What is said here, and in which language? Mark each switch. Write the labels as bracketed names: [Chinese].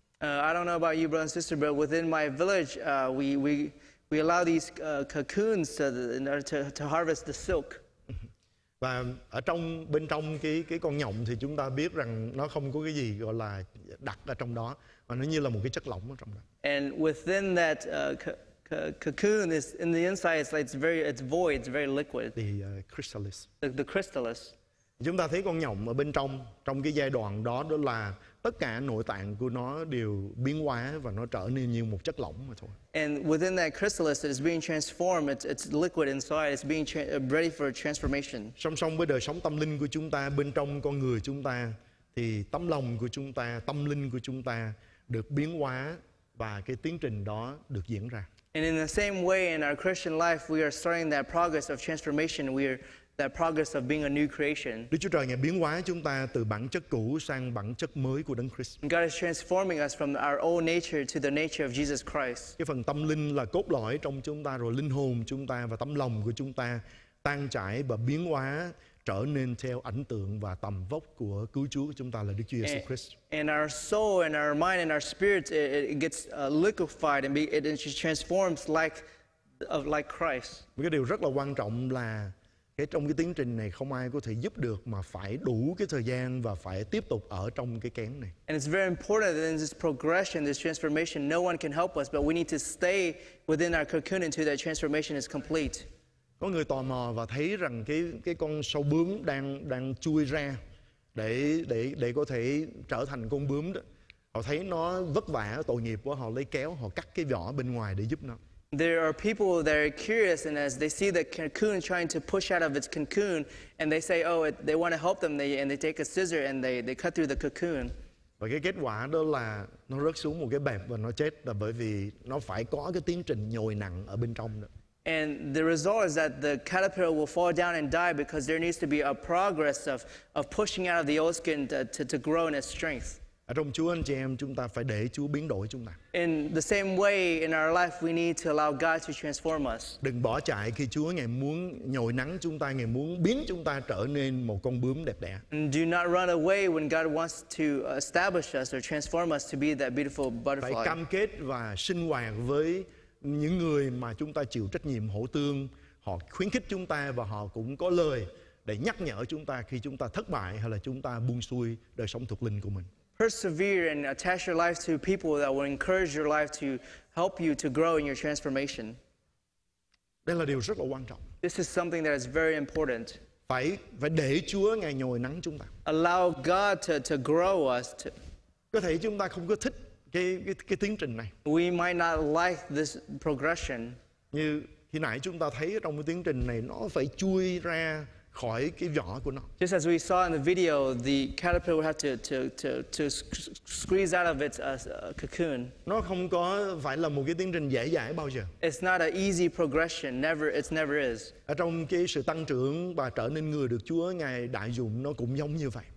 [English] I don't know about you, brother and sister, but within my village, we allow these cocoons to harvest the silk. [Vietnamese] Và ở trong bên trong cái con nhộng thì chúng ta biết rằng nó không có cái gì gọi là đặt ở trong đó, mà nó như là một cái chất lỏng ở trong đó. [English] And within that cocoon is in the inside, it's very void, it's very liquid. The chrysalis. The chrysalis. [Vietnamese] Chúng ta thấy con nhộng ở bên trong cái giai đoạn đó là tất cả nội tạng của nó đều biến hóa và nó trở nên như một chất lỏng mà thôi. [English] And within that chrysalis, it is being transformed. It's liquid inside. It's being ready for transformation. [Vietnamese] Song song với đời sống tâm linh của chúng ta, bên trong con người chúng ta, thì tấm lòng của chúng ta, tâm linh của chúng ta được biến hóa và cái tiến trình đó được diễn ra. [English] And in the same way, in our Christian life, we are starting that progress of transformation. That progress of being a new creation. [Vietnamese] Đức Chúa Trời ngài biến hóa chúng ta từ bản chất cũ sang bản chất mới của Đấng Christ. [English] God is transforming us from our old nature to the nature of Jesus Christ. [Vietnamese] Cái phần tâm linh là cốt lõi trong chúng ta, rồi linh hồn chúng ta và tấm lòng của chúng ta tan chảy và biến hóa trở nên theo ảnh tượng và tầm vóc của cứu Chúa của chúng ta là Đức Chúa Jesus Christ. [English] And our soul and our mind and our spirit it gets liquefied and it transforms like Christ. [Vietnamese] Một cái điều rất là quan trọng là cái trong cái tiến trình này không ai có thể giúp được mà phải đủ cái thời gian và phải tiếp tục ở trong cái kén này. [English] And it's very important that in this progression, this transformation, no one can help us, but we need to stay within our cocoon until that transformation is complete. [Vietnamese] Có người tò mò và thấy rằng cái con sâu bướm đang chui ra để có thể trở thành con bướm đó. Họ thấy nó vất vả, tội nghiệp quá, họ lấy kéo, họ cắt cái vỏ bên ngoài để giúp nó. [English] There are people that are curious, and as they see the cocoon trying to push out of its cocoon, and they say, "Oh, they want to help them." They take a scissor and they cut through the cocoon. [Vietnamese] Và cái kết quả đó là nó rớt xuống một cái bẹp và nó chết, là bởi vì nó phải có cái tiến trình nhồi nặng ở bên trong đó. [English] And the result is that the caterpillar will fall down and die because there needs to be a progress of pushing out of the old skin to grow in its strength. [Vietnamese] Ở trong Chúa anh chị em, chúng ta phải để Chúa biến đổi chúng ta. [English] In the same way in our life we need to allow God to transform us. [Vietnamese] Đừng bỏ chạy khi Chúa ngài muốn nhồi nắng chúng ta, ngài muốn biến chúng ta trở nên một con bướm đẹp đẽ. [English] And do not run away when God wants to establish us or transform us to be that beautiful butterfly. [Vietnamese] Phải cam kết và sinh hoạt với những người mà chúng ta chịu trách nhiệm hỗ tương, họ khuyến khích chúng ta và họ cũng có lời để nhắc nhở chúng ta khi chúng ta thất bại hay là chúng ta buông xuôi đời sống thuộc linh của mình. [English] Persevere and attach your life to people that will encourage your life to help you to grow in your transformation. [Vietnamese] Đây là điều rất là quan trọng. [English] This is something that is very important. [Vietnamese] Phải để Chúa ngài nhồi nắng chúng ta. [English] Allow God to grow us. [Vietnamese] Có thể chúng ta không có thích cái tiến trình này. [English] We might not like this progression. [Vietnamese] Như khi nãy chúng ta thấy trong cái tiến trình này nó phải chui ra khỏi cái vỏ của nó. [English] Just as we saw in the video, the caterpillar would have to squeeze out of its cocoon. [Vietnamese] Nó không có phải là một cái tiến trình dễ dãi bao giờ. [English] It's not an easy progression. Never, it never is. [Vietnamese] Ở trong cái sự tăng trưởng và trở nên người được Chúa ngài đại dụng, nó cũng giống như vậy.